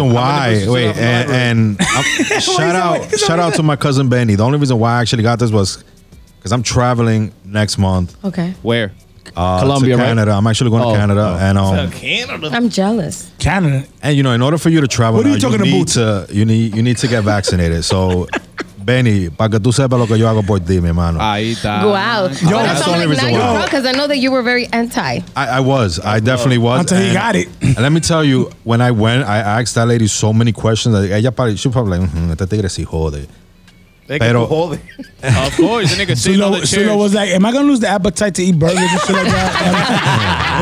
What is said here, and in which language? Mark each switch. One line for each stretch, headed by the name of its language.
English: Reason why, wait, and shout out to my cousin Benny. The only reason why I actually got this was because I'm traveling next month. Okay, where? Colombia, to Canada. Right? I'm actually going to Canada. Canada. I'm jealous. Canada. And you know, in order for you to travel, you need to get vaccinated. So.
Spanish: Benny, para que tú sepas lo que yo hago por ti, mi hermano. Ahí está.
English: Wow. Yo, that's the only reason why. Because I know that you were very anti. I was. I definitely was. Until he got it. And let me tell you, when I went, I asked that lady so many questions. She was probably like,
Spanish: este tigre se jode.
English: Pero, of course, Sulo was like, am I going to lose the appetite to eat burgers and shit like that?